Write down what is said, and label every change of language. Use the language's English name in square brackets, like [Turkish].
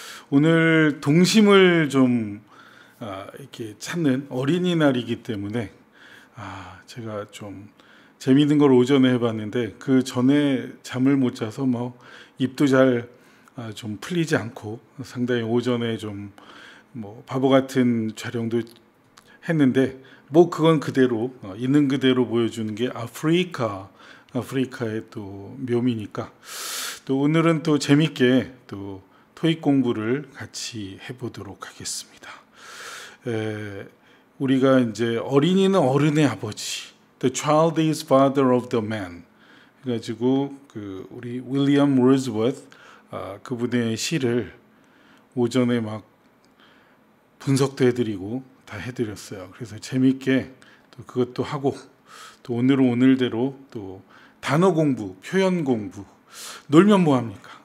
[Korean] 오늘 동심을 좀 이렇게 찾는 어린이날이기 때문에 제가 좀 재미있는 걸 오전에 해봤는데 그 전에 잠을 못 자서 뭐 입도 잘 좀 풀리지 않고 상당히 오전에 좀 뭐 바보 같은 촬영도 했는데 뭐 그건 그대로 있는 그대로 보여주는 게 아프리카의 또 묘미니까 또 오늘은 또 재밌게 또 토익 공부를 같이 해보도록 하겠습니다. 우리가 이제 어린이는 어른의 아버지, [English] The child is father of the man. [Korean] 그래가지고 그 우리 윌리엄 워즈워스 그분의 시를 오전에 막 분석도 해드리고 다 해드렸어요. 그래서 재밌게 또 그것도 하고 또 오늘은 오늘대로 또 단어 공부, 표현 공부, 놀면 뭐합니까?